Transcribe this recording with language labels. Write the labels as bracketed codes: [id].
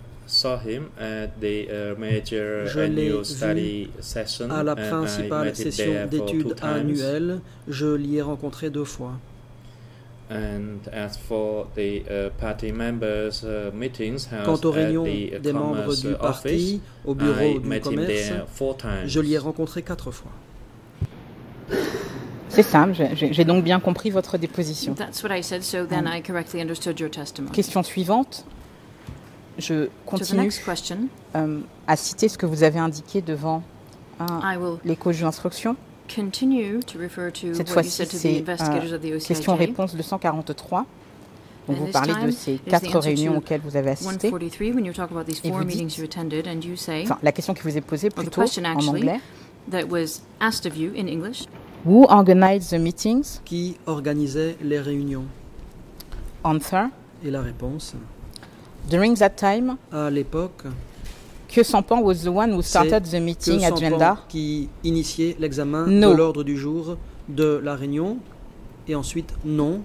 [en] Saw him at the major annual study session. [fr] À la principale session d'études annuelle, je l'y ai rencontré deux fois. [en] And as for the party members meetings held [fr] quant aux réunions des membres du parti au bureau du commerce, je l'y ai rencontré quatre fois. C'est simple, j'ai donc bien compris votre déposition. [en] That's what I said, so then I correctly understood your testimony. [fr] Question suivante. Je continue à citer ce que vous avez indiqué devant les juges d'instruction. Cette fois-ci, c'est question-réponse 243. Donc vous parlez de ces quatre réunions auxquelles vous avez assisté. Et vous dites, la question qui vous est posée plutôt en anglais. [en] That was asked of you in English. Who organized the meetings? [fr] Qui organisait les réunions? [en] Answer. [fr] Et la réponse. [en] During that time, [fr] à l'époque, [en] Kyusampan was the one who started the meeting agenda. [fr] Qui initiait l'examen de l'ordre du jour de la réunion, et ensuite non.